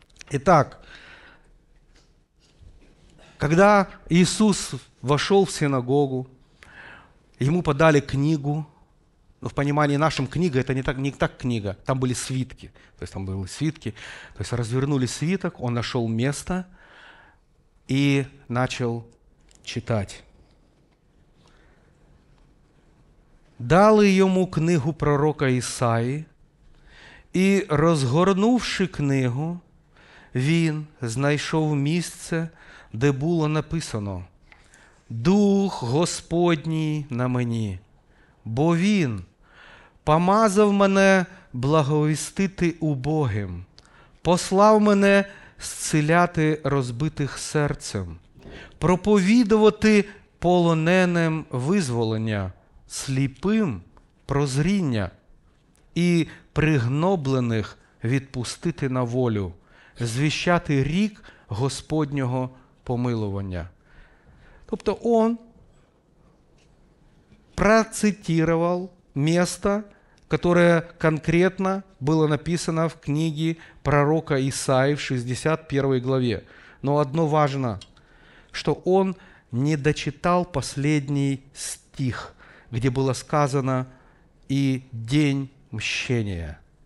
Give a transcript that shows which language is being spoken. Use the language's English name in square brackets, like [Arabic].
[Russian] Итак, когда Иисус вошел в синагогу, Ему подали книгу, в понимании нашем книга, это не так книга, там были свитки, то есть развернули свиток, Он нашел место и начал читать. [Ukrainian] Дал йому книгу пророка Ісаї, і, розгорнувши книгу, він знайшов місце, де було написано: «Дух Господній на мені, бо Він помазав мене благовістити убогим, послав мене зціляти розбитих серцем, проповідувати полоненим визволення, сліпим прозріння і пригноблених відпустити на волю, звіщати рік Господнього помилування». [Russian] Тобто он процитировал место, которое конкретно было написано в книге пророка Исаии в 61 главе. Но одно важно, что он не дочитал последний стих, где было сказано «и день мщения».